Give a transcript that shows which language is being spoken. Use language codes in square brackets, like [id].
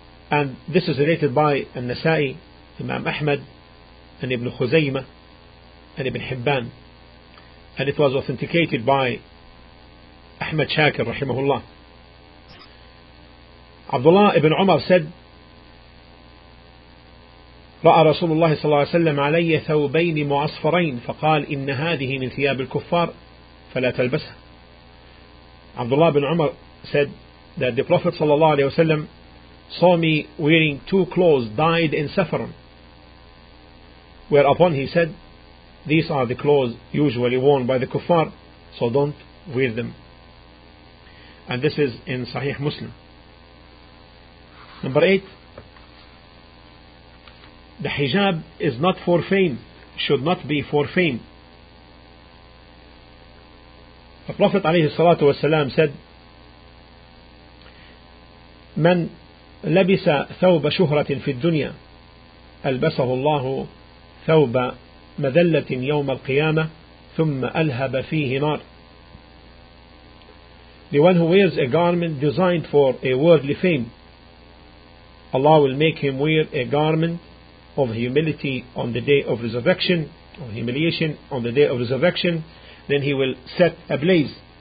[en] And this is related by An-Nasa'i, Imam Ahmad, and Ibn Khuzaymah, and Ibn Hibban. And it was authenticated by Ahmad Shakir, rahimahullah. Abdullah ibn Umar said, [ar] رأى رسول الله صلى الله عليه وسلم علي ثوبين معصفرين فقال إن هذه من ثياب الكفار فلا تلبسها. [en] Abdullah ibn Umar said that the Prophet [ar] صلى الله عليه وسلم [en] saw me wearing two clothes dyed in saffron. Whereupon he said, these are the clothes usually worn by the kuffar, so don't wear them. And this is in Sahih Muslim. 8. The hijab is not for fame, should not be for fame. The Prophet alayhi salatu wasalam said, [ar] من لبس ثوب شهرة في الدنيا ألبسه الله ثوب مذلة يوم القيامة ثم ألهب فيه نار. [en] The one who wears a garment designed for a worldly fame, Allah will make him wear a garment of humility on the day of resurrection, or humiliation on the day of resurrection, then he will set ablaze.